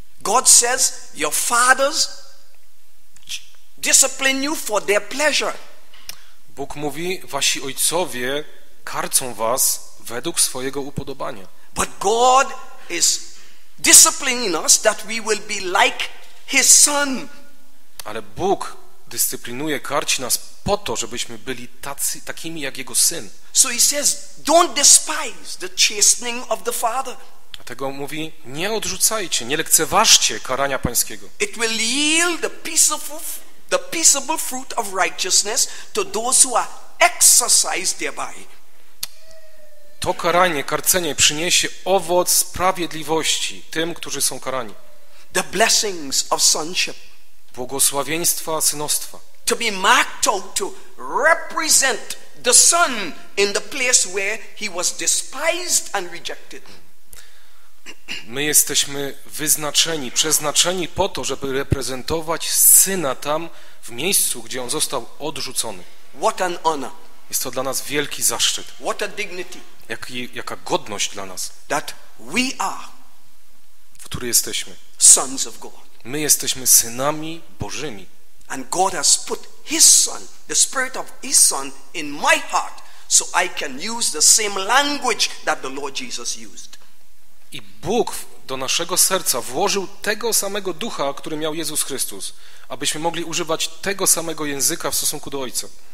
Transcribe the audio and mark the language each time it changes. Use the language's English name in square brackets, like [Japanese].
[English] God says, your fathers discipline you for their pleasure. [Polish] Bóg mówi, wasi ojcowie karcą was według swojego upodobania. [English] But God is disciplining us that we will be like his son. [Polish] Ale Bóg dyscyplinuje, karci nas po to, żebyśmy byli tacy, takimi jak jego syn. [English] So he says, don't despise the chastening of the father. [Polish] Dlatego mówi, nie odrzucajcie, nie lekceważcie karania pańskiego. [English] It will yield the peaceable fruit of righteousness to those who are exercised thereby. [Polish] To karanie, karcenie przyniesie owoc sprawiedliwości tym, którzy są karani. [English] The blessings of sonship. [Polish] Błogosławieństwa synostwa. [English] To be marked out to represent the son in the place where he was despised and rejected. [Polish] My jesteśmy wyznaczeni, przeznaczeni po to, żeby reprezentować syna tam, w miejscu, gdzie on został odrzucony. [English] What an honor. [Polish] Jest to dla nas wielki zaszczyt. [English] What a dignity. [Polish] Jaka godność dla nas. [English] That we are, [Polish] w który jesteśmy. [English] Sons of God. [Polish] My jesteśmy synami Bożymi. [English] And God has put his son, the spirit of his son in my heart, so I can use the same language that the Lord Jesus used. [Polish] I Bóg do naszego serca włożył tego samego ducha, który miał Jezus Chrystus, abyśmy mogli używać tego samego języka w stosunku do Ojca.